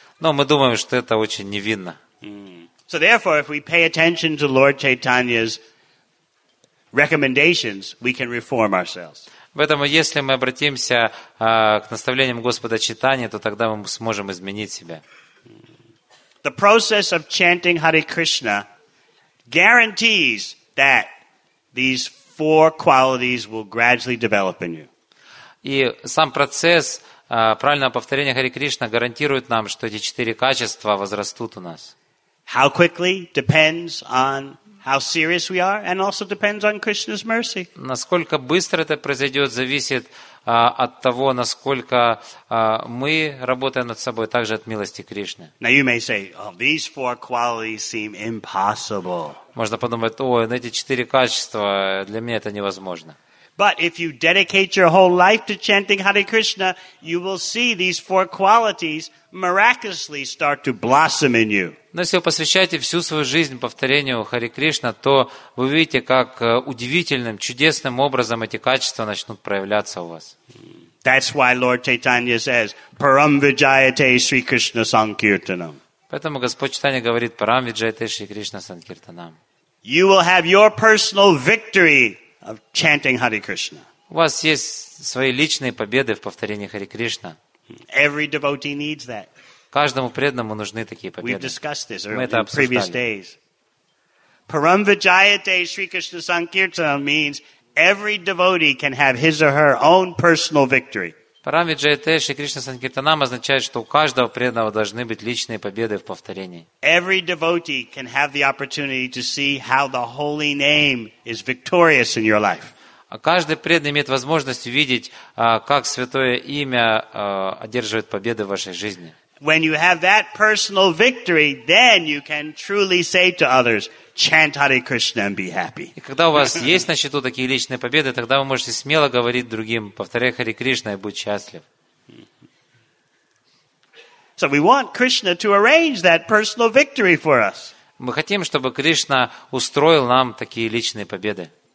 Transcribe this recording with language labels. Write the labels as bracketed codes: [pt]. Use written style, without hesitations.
[ru] Но мы думаем, что это очень невинно. [en] So therefore, if we pay attention to Lord Chaitanya's recommendations, we can reform ourselves. [ru] Поэтому, если мы обратимся к наставлениям Господа Чайтаньи, то тогда мы сможем изменить себя. [en] The process of chanting Hare Krishna guarantees that these four qualities will gradually develop in you. [ru] И сам процесс правильного повторения Хари Кришна гарантирует нам, что эти четыре качества возрастут у нас. [en] How quickly depends on how serious we are, and also depends on Krishna's mercy. [ru] Насколько быстро это произойдет, зависит от того, насколько мы работаем над собой, также от милости Кришны. [en] Now you may say, oh, these four qualities seem impossible. [ru] Можно подумать, ой, эти четыре качества для меня это невозможно. [en] But if you dedicate your whole life to chanting Hare Krishna, you will see these four qualities miraculously start to blossom in you. [ru] Но если вы посвящаете всю свою жизнь повторению Хари Кришна, то вы увидите, как удивительным, чудесным образом эти качества начнут проявляться у вас. [en] That's why Lord Chaitanya says, [sa] Param Vijayate Sri Krishna Sankirtanam. [ru] Поэтому Господь Чайтанья говорит, [sa] Param Vijayate Sri Krishna Sankirtanam. [en] You will have your personal victory of chanting Hare Krishna. [ru] У вас есть свои личные победы в повторении Хари Кришна. [en] Every devotee needs that. [ru] Каждому преданному нужны такие победы. [en] We've discussed this in previous days. [sa] Param Vijayate Sri Krishna Sankirtanam [en] means every devotee can have his or her own personal victory. [sa] Param Vijayate Sri Krishna Sankirtanam [ru] означает, что у каждого преданного должны быть личные победы в повторении. [en] Every devotee can have the opportunity to see how the holy name is victorious in your life. [ru] Каждый преданный имеет возможность увидеть, как святое имя одерживает победы в вашей жизни. [en] When you have that personal victory, then you can truly say to others, chant Hare Krishna and be happy. [ru] И когда у вас есть на счету такие личные победы, тогда вы можете смело говорить другим, повторяй Хари Кришна и будь счастлив. [en] So we want Krishna to arrange that personal victory for us. [ru] Мы хотим, чтобы Кришна устроил нам такие личные победы.